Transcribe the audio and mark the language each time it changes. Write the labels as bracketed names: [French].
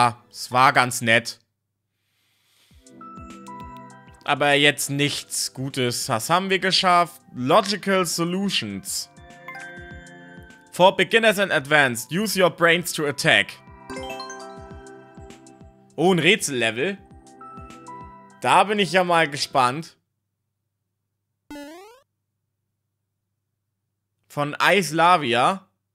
[German] Es war ganz nett. Aber jetzt nichts Gutes. Was haben wir geschafft? [English] Logical Solutions. For beginners and advanced, use your brains to attack. [German] Oh, ein Rätsellevel. Da bin ich ja mal gespannt. von Eislavia.